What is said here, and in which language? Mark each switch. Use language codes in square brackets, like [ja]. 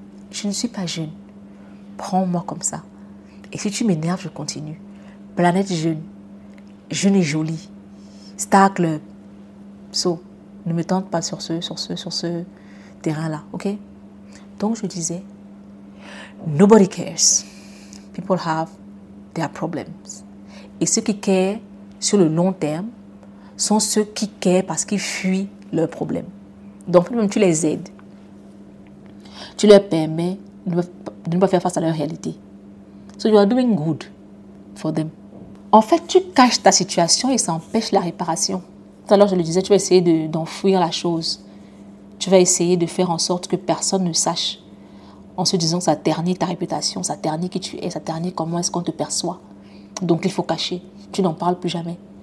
[fr] Je ne suis pas jeune. Prends-moi comme ça. Et si tu m'énerves, je continue. Planète jeune. Jeune et jolie. Star Club. So, ne me tente pas sur ce terrain-là. OK? Donc, je disais, [en] nobody cares. People have their problems. [fr] Et ceux qui care sur le long terme sont ceux qui care parce qu'ils fuient leurs problèmes. Donc, même tu les aides. Tu leur permets de ne pas faire face à leur réalité. [en] So you are doing good for them. [fr] En fait, tu caches ta situation et ça empêche la réparation. Tout à l'heure, je le disais, tu vas essayer d'enfouir la chose. Tu vas essayer de faire en sorte que personne ne sache en se disant que ça ternit ta réputation, ça ternit qui tu es, ça ternit comment est-ce qu'on te perçoit. Donc, il faut cacher. Tu n'en parles plus jamais.